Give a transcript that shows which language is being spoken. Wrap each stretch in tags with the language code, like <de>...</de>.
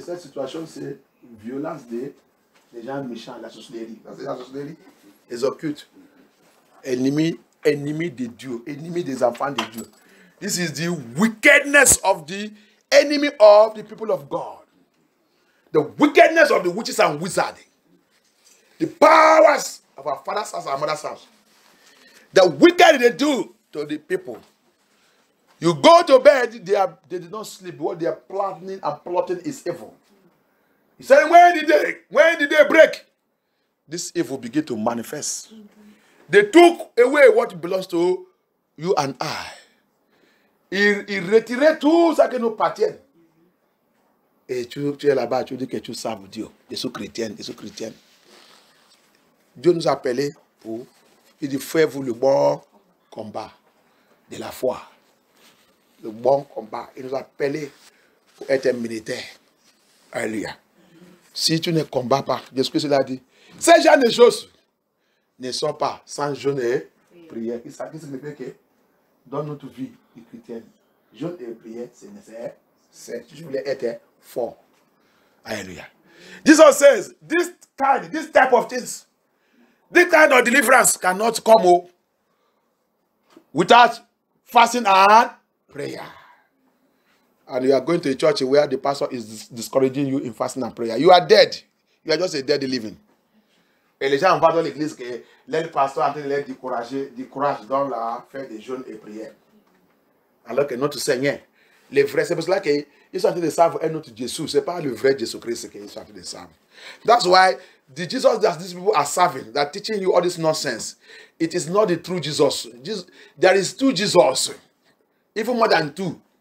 <fr>Cette situation, c'est violence des gens méchants, la sorcellerie. La sorcellerie, les occultes, ennemis de Dieu, ennemis des enfants de Dieu.</fr> <en>This is the wickedness of the enemy of the people of God. The wickedness of the witches and wizards. The powers of our father's house and mother's house. The wicked they do to the people. You go to bed, they did not sleep. What they are planning and plotting is evil. He said, when did they break? This evil begin to manifest. They took away what belongs to you and I.</en> <fr>Il retirait tout ce qui nous appartient. Et tu es là-bas, tu dis que tu sers Dieu. Je suis chrétienne. Dieu nous a appelés pour. Il dit, faites-vous le bon combat de la foi. Le bon combat. Il nous a appelés pour être un militaire. Alléluia. Si tu ne combats pas, qu'est-ce que cela dit? Ces gens de choses ne sont pas sans jeûne et prière. Ça signifie que dans notre vie, les chrétiennes, jeûne et prière, c'est nécessaire. Si tu voulais être fort. Alléluia.</fr> <en>Jesus says, this kind, this type of things, this kind of deliverance cannot come up without fasting and prayer. And you are going to a church where the pastor is discouraging you in fasting and prayer. You are dead. You are just a dead living.</en> <fr>Et les gens en parlent dans l'église que les pasteurs en train de les décourager, découragent dans la fête des jeûnes et prières. Alors que notre Seigneur, les vrais, c'est pour cela qu'ils sont en train de servir un autre Jésus. Ce n'est pas le vrai Jésus-Christ qu'ils sont en train de servir.</fr> <en>That's why the Jesus that these people are serving, that teaching you all this nonsense, it is not the true Jesus. There is two Jesus, even more than two.</en>